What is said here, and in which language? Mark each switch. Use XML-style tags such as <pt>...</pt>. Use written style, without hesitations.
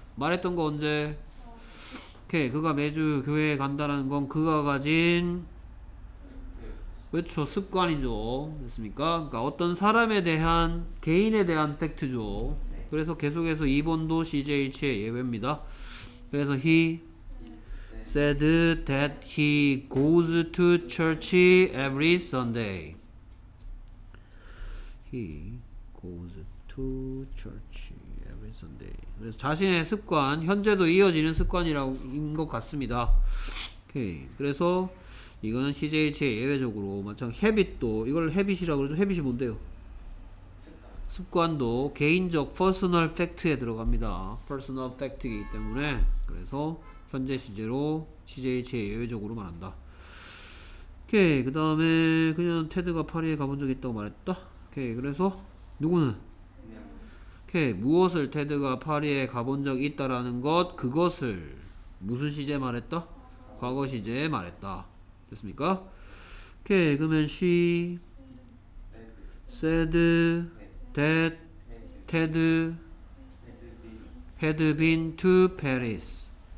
<ko>말했던 거 언제? 오케이. 그가 매주 교회에 간다라는 건 그가 가진 그렇죠. 습관이죠. 됐습니까? 그러니까 어떤 사람에 대한 개인에 대한 팩트죠. 그래서 계속해서 2번도 CJ치의 예외입니다. 그래서</ko> <en>he said that he goes to church every Sunday. He goes to church every Sunday.</en> <ko>그래서 자신의 습관, 현재도 이어지는 습관인 것 같습니다. 오케이. 그래서 이거는 CJ치의 예외적으로 마찬가지 habit도 이걸 habit이라고 그러죠. habit이 뭔데요? 습관. 습관도 개인적 personal fact에 들어갑니다. personal fact이기 때문에 그래서 현재 시제로 CJ치의 예외적으로 말한다. 오케이. 그 다음에 그녀는 테드가 파리에 가본 적이 있다고 말했다. 오케이. 그래서 누구는? 오케이. 무엇을 테드가 파리에 가본 적이 있다라는 것 그것을 무슨 시제 말했다? 과거 시제 말했다. 됐습니까? 오케이. 그러면</ko> <en>she said that Ted had been to Paris.</en>